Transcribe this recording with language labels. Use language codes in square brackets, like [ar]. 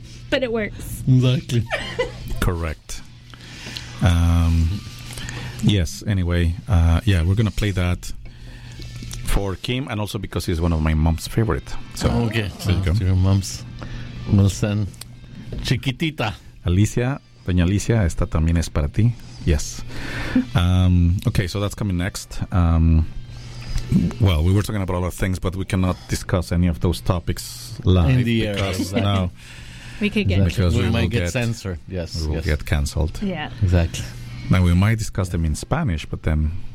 [en] But it works. Exactly. Correct. Yes, anyway, we're going to play that. For Kim, and also because he's one of my mom's favorite. So, okay, so to your mom's. We'll send Chiquitita. [es] Alicia, Doña Alicia, esta también es para ti. [en] Yes. Okay, so that's coming next. Well, we were talking about a lot of things, but we cannot discuss any of those topics live. In the air, exactly. No. We could get because we might get censored. Yes. We will get canceled. Yeah. Exactly. Now, we might discuss them in Spanish, but then.